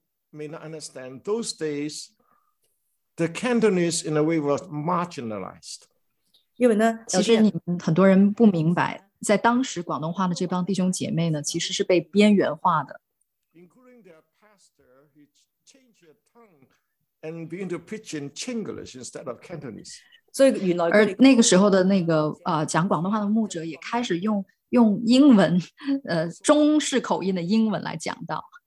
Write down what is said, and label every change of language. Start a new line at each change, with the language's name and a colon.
English: May not understand those days, the Cantonese in a way was marginalized.
Chinese: 因为呢，其实你们很多人不明白，在当时广东话的这帮弟兄姐妹呢，其实是被边缘化的。
English: Including their pastor, he changed their tongue and began to preach in Chinglish instead of Cantonese.
Chinese: 所以原来，而那个时候的那个讲广东话的牧者也开始用英文，中式口音的英文来讲道。